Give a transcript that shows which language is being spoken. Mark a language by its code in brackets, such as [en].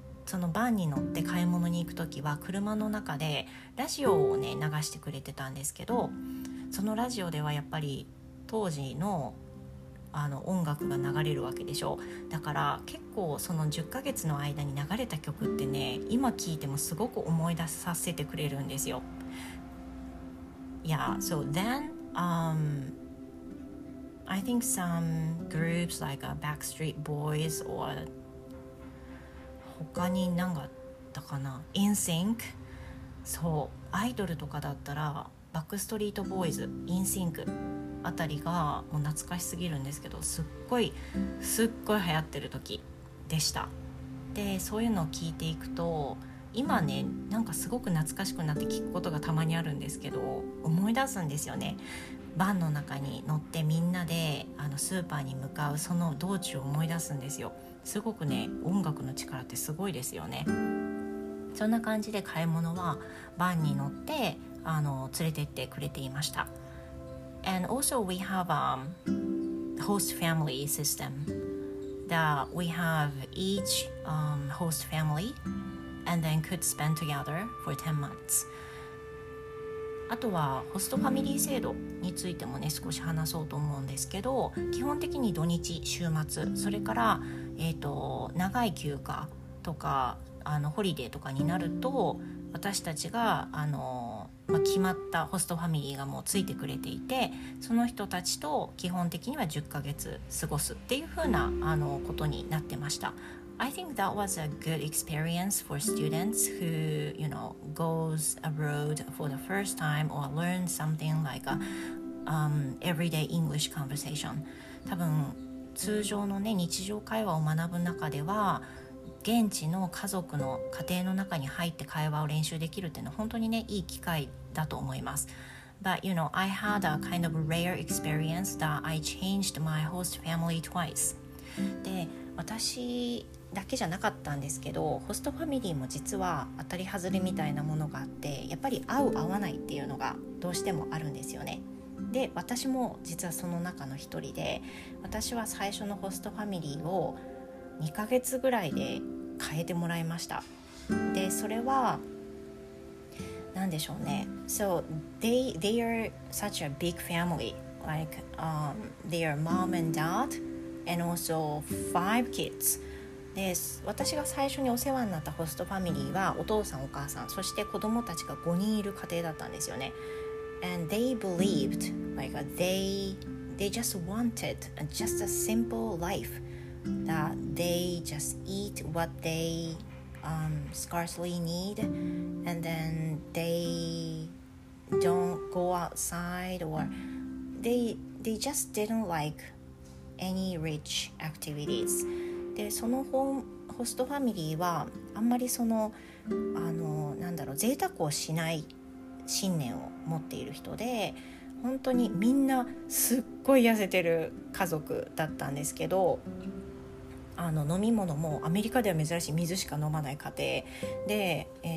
[ja] そのバンに乗って買い物に行くときは車の中でラジオをね流してくれてたんですけど、そのラジオではやっぱり当時の音楽が流れるわけでしょう。だから結構その10ヶ月の間に流れた曲ってね、今聴いてもすごく思い出させてくれるんですよ。 [en] Yeah, so then I think some groups like a Backstreet Boys or [ja] 他に何があったかな、 NSYNC、そうアイドルとかだったらバックストリートボーイズ、 NSYNC あたりがもう懐かしすぎるんですけど、すっごい流行ってる時でした。でそういうのを聞いていくと、今ねなんかすごく懐かしくなって聞くことがたまにあるんですけど、思い出すんですよね。バンの中に乗ってみんなでスーパーに向かうその道中を思い出すんですよ。すごくね、音楽の力ってすごいですよね。そんな感じで買い物はバンに乗って連れてってくれていました。 [en] And also we have a host family system that we have each host family and then could spend together for 10 months. [ja] あとはホストファミリー制度についてもね少し話そうと思うんですけど、基本的に土日週末、それから長い休暇とかホリデーとかになると、私たちが決まったホストファミリーがもうついてくれていて、その人たちと基本的には10ヶ月過ごすっていう風なことになってました。 [en] I think that was a good experience for students who, goes abroad for the first time or learn something like a everyday English conversation. [ja] 多分通常のね日常会話を学ぶ中では、現地の家族の家庭の中に入って会話を練習できるっていうのは本当にねいい機会だと思います。 [en] But you know, I had a kind of rare experience that I changed my host family twice. [ja] で、私だけじゃなかったんですけど、ホストファミリーも実は当たり外れみたいなものがあって、やっぱり合う合わないっていうのがどうしてもあるんですよね。で、私も実はその中の一人で、私は最初のホストファミリーを2ヶ月ぐらいで変えてもらいました。でそれは何でしょうね、 [en] So they are such a big family, like they are mom and dad and also five kids. [ja] で、私が最初にお世話になったホストファミリーはお父さん、お母さん、そして子供たちが5人いる家庭だったんですよね。 [en] And they believed, like they just wanted just a simple life that they just eat what theyscarcely need, and then they don't go outside, or they just didn't like any rich activities. [ja] で、そのホストファミリーはあんまりその、なんだろう、贅沢をしない信念を持っている人で、本当にみんなすっごい痩せてる家族だったんですけど、飲み物もアメリカでは珍しい水しか飲まない家庭で、